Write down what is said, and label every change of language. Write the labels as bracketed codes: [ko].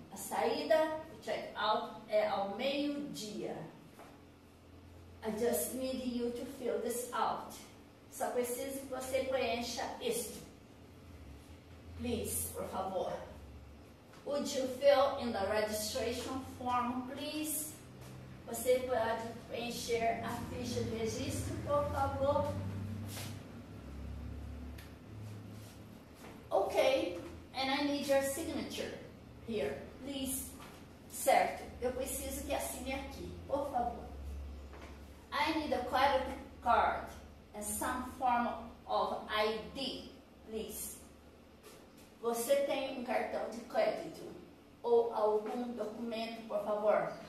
[pt] A saída, check out, é ao meio-dia. [en] I just need you to fill this out. [pt] Só preciso que você preencha isto. [en] Please, [pt] por favor. [en] Would you fill in the registration form, please? [pt] Você pode preencher a ficha de registro, por favor? [en] Okay, and I need your signature here, please. [pt] Certo, eu preciso que assine aqui, por favor. [en] I need a credit card and some form of ID, please. [pt] Você tem um cartão de crédito ou algum documento, por favor?